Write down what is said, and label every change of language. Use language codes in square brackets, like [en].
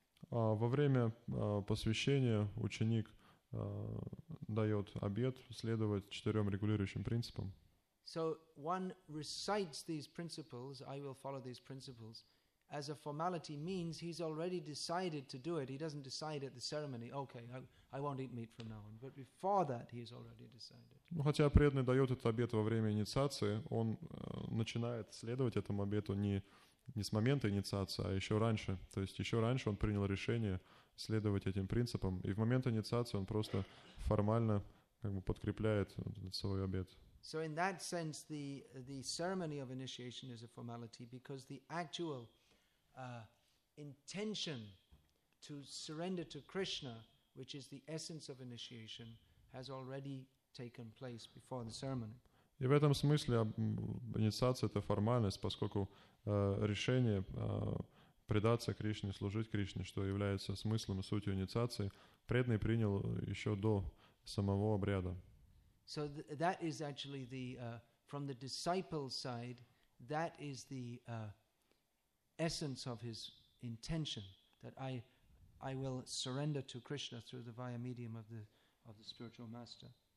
[ru] Во время посвящения ученик дает обет следовать четырем регулирующим принципам. [en] So one recites these principles, I will follow these principles, as a formality means he's already decided to do it. He doesn't decide at the ceremony, okay, I won't eat meat from now on. But before that, he's already decided. [ru] Ну, хотя преданный дает этот обет во время инициации, он начинает следовать этому обету не с момента инициации, а еще раньше. То есть еще раньше он принял решение следовать этим принципам. И в момент инициации он просто формально как бы подкрепляет свой обет. [en] So in that sense, the ceremony of initiation is a formality because the actual intention to surrender to Krishna, which is the essence of initiation, has already taken place before the ceremony. [ru] И в этом смысле инициация — это формальность, поскольку решение предаться Кришне, служить Кришне, что является смыслом и сутью инициации, преданный принял еще до самого обряда. [en] So that is actually the from the disciple side, that is the essence of his intention, that I will surrender to Krishna through the via medium of the spiritual master.